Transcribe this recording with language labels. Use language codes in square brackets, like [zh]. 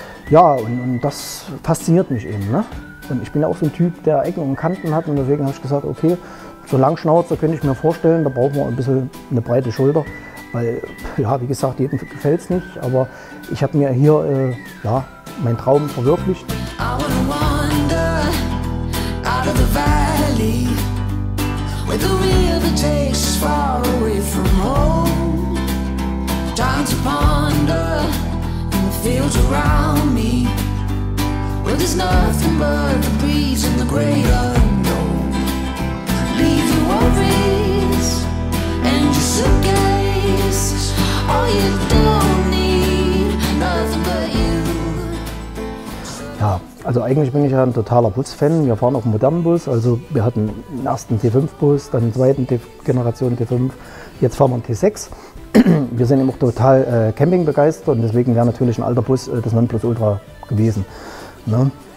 [de] Ja, und das fasziniert mich eben. Ne? Und ich bin auch so ein Typ, der Ecken und Kanten hat. Und deswegen habe ich gesagt, okay, so Langschnauzer könnte ich mir vorstellen. Da brauchen wir ein bisschen eine breite Schulter. Weil, ja, wie gesagt, jedem gefällt es nicht. Aber ich habe mir hier ja, meinen Traum verwirklicht. [en] The river takes us far away from home. Time to ponder in the fields around me, where there's nothing but the breeze and the gray unknown. Leave your worries and your suitcase. All you don't need, nothing but you. [de] Also eigentlich bin ich ja ein totaler Bus-Fan. Wir fahren auch einen modernen Bus. Also wir hatten einen ersten T5-Bus, dann einen zweiten Generation T5. Jetzt fahren wir einen T6. Wir sind eben auch total campingbegeistert und deswegen wäre natürlich ein alter Bus das Nonplusultra gewesen. Ne?